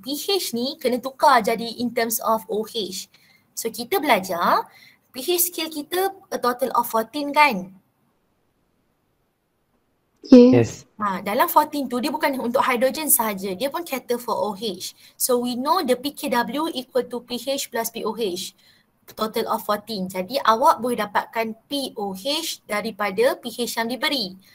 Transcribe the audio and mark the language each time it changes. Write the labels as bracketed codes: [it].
[ms] pH ni kena tukar jadi in terms of OH. So kita belajar pH scale kita [en] a total of [ms] 14 kan? [en] Yes. [ms] Dalam 14 tu dia bukan untuk hydrogen saja, dia pun [en] cater for [ms] OH. [en] So we know the pKw equal to pH plus pOH. Total of 14. [ms] Jadi awak boleh dapatkan pOH daripada pH yang diberi.